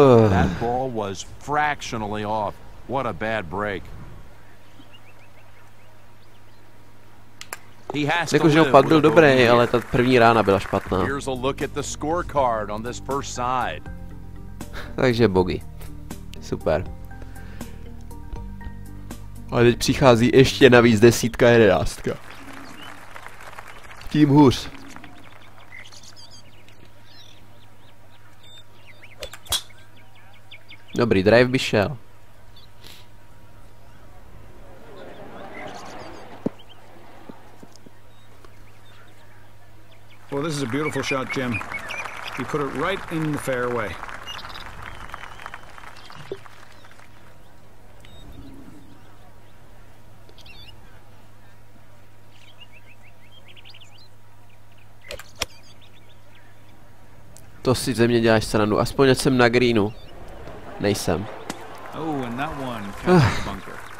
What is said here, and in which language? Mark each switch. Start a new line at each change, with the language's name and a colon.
English: That ball was fractionally off. What a bad break. He has to live with a bogey,
Czech: ale ta první rána byla špatná.
English: Here's a look at the scorecard on this first side.
Czech: Takže bogey. Super. Ale teď přichází ještě navíc 10, 11. Tím hůř. Dobrý, drive by šel.
English: Well, this is a beautiful shot, Jim. You put it right in the fairway.
Czech: To si ze mě děláš srandu, aspoň ať jsem na greenu. Nejsem.
English: Oh, and that one came to the bunker.